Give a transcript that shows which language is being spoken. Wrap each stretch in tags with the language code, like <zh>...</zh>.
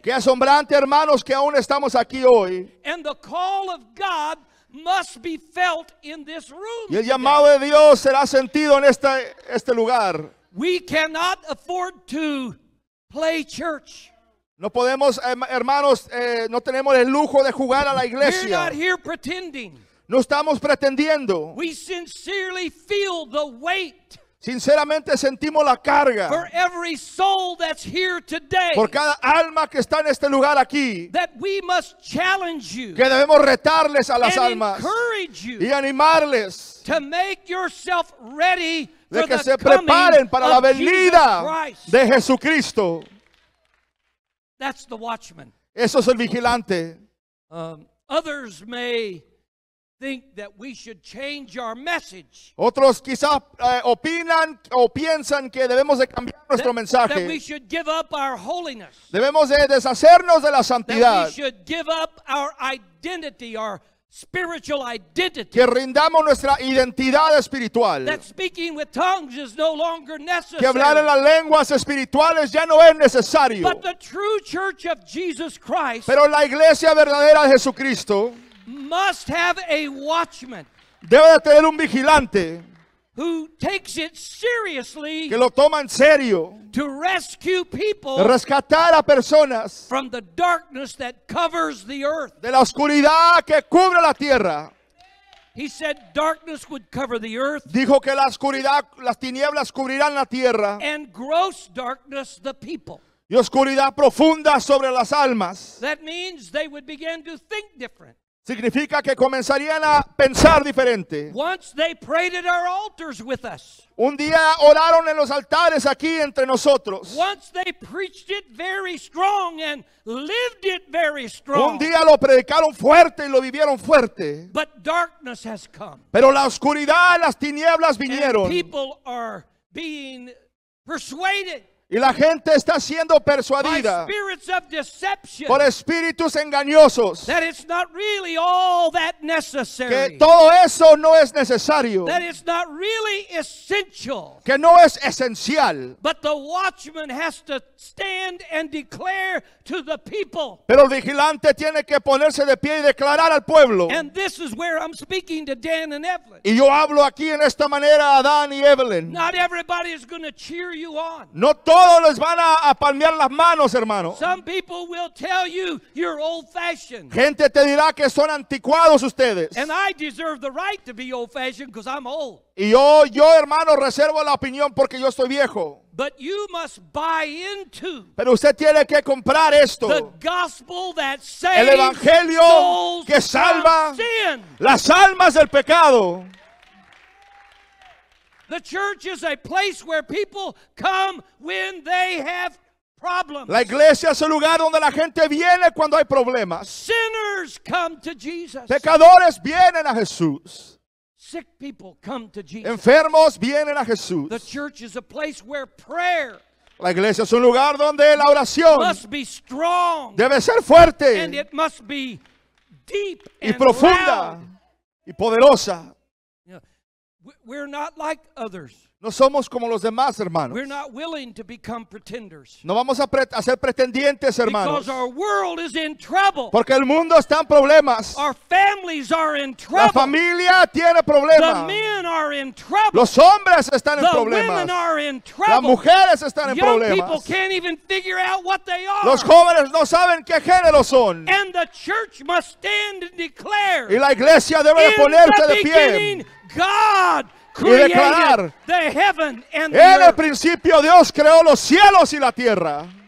<es>Qué asombrante, hermanos, que aún estamos aquí hoy.</es> <en>And the call of God must be felt in this room.</en> <es>Y el llamado de Dios será sentido en este lugar.</es> <en>We cannot afford to play church.</en> <es>No podemos, hermanos, no tenemos el lujo de jugar a la iglesia.</es> <en>We're not here pretending.</en> <es>No estamos pretendiendo.</es> <en>We sincerely feel the weight.</en> <es>Sinceramente sentimos la carga.</es> <en>For every soul that's here today.</en> <es>Por cada alma que está en este lugar aquí.</es> <en>That we must challenge you.</en> <es>Que debemos retarles a las almas.</es> <en>And encourage you.</en> <es>Y animarles.</es> <en>To make yourself ready.</en> <es>De que se preparen para la venida de Jesucristo.</es> <en>That's the watchman.</en> <es>Eso es el vigilante.</es> <en>Others may think that we should change our message.</en> <es>Otros quizás opinan o piensan que debemos de cambiar nuestro mensaje.</es> <en>That we should give up our holiness.</en> <es>Debemos de deshacernos de la santidad.</es> <en>That we should give up our identity, our spiritual identity.</en> <es>Que rindamos nuestra identidad espiritual.</es> <en>That speaking with tongues is no longer necessary.</en> <es>Que hablar en las lenguas espirituales ya no es necesario.</es> <en>But the true church of Jesus Christ.</en> <es>Pero la iglesia verdadera de Jesucristo.</es> <en>Must have a watchman.</en> <es>Debe de tener un vigilante.</es> <en>Who takes it seriously.</en> <es>Que lo toma en serio.</es> <en>To rescue people.</en> <es>De rescatar a personas.</es> <en>From the darkness that covers the earth.</en> <es>De la oscuridad que cubre la tierra.</es> <en>He said darkness would cover the earth.</en> <es>Dijo que la oscuridad, las tinieblas cubrirán la tierra.</es> <en>And gross darkness the people.</en> <es>Y oscuridad profunda sobre las almas.</es> <en>That means they would begin to think different.</en> <es>Significa que comenzarían a pensar diferente.</es> <en>Once they prayed at our altars with us.</en> <es>Un día oraron en los altares aquí entre nosotros.</es> <en>Once they preached it very strong and lived it very strong.</en> <es>Un día lo predicaron fuerte y lo vivieron fuerte.</es> <en>But darkness has come.</en> <es>Pero la oscuridad, las tinieblas vinieron.</es> <en>And people are being persuaded.</en> <es>Y la gente está siendo persuadida por espíritus engañosos</es> <en>that it's not really all that necessary,</en> <es>que todo eso no es necesario,</es> <en>that it's not really essential,</en> <es>que no es esencial.</es> <en>But the watchman has to stand and declare to the people.</en> <es>Pero el vigilante tiene que ponerse de pie y declarar al pueblo.</es> <en>And this is where I'm speaking to Dan and Evelyn.</en> <es>Y yo hablo aquí en esta manera a Dan y Evelyn.</es> <en>Not everybody is going to cheer you on.</en> <es>No todos les van a palmear las manos, hermano.</es> <en>Some people will tell you you're old-fashioned.</en> <es>Gente te dirá que son anticuados ustedes.</es> <en>And I deserve the right to be old-fashioned because I'm old.</en> <es>Y yo hermano, reservo la opinión porque yo estoy viejo.</es> <en>But you must buy into.</en> <es>Pero usted tiene que comprar esto.</es> <en>The gospel that saves.</en> <es>El evangelio</es> <en>souls</en> <es>que salva</es> <en>sin.</en> <es>Las almas del pecado.</es> <en>The church is a place where people come when they have problems.</en> <es>La iglesia es el lugar donde la gente viene cuando hay problemas.</es> <en>Sinners come to Jesus.</en> <es>Pecadores vienen a Jesús.</es> <en>Sick people come to Jesus.</en> <es>Enfermos vienen a Jesús.</es> <en>The church is a place where prayer.</en> <es>La iglesia es un lugar donde la oración</es> <en>must be strong.</en> <es>Debe ser fuerte.</es> <en>And it must be deep</en> <es>y profunda</es> <en>and loud.</en> <es>Y poderosa.</es> <en>we're not like others.</en> <es>No somos como los demás, hermanos.</es> <en>We're not willing to become pretenders.</en> <es>No vamos a ser pretendientes, hermanos.</es> <en>Because our world is in trouble.</en> <es>Porque el mundo está en problemas.</es> <en>Our families are in trouble.</en> <es>La familia tiene problemas.</es> <en>The men are in trouble.</en> <es>Los hombres están en problemas.</es> <en>The women are in trouble.</en> <es>Las mujeres están</es> <en>Young</en> <es>en problemas.</es> <en>People can't even figure out what they are.</en> <es>Los jóvenes no saben qué género son.</es> <en>And the church must stand and declare.</en> <es>Y la iglesia debe de ponerse de pie.</es> <en>God</en> <es>y declarar,</es> <en>the heaven and the</en> <es>en</es> <en>earth.</en> <es>El principio Dios creó los cielos y la tierra.</es>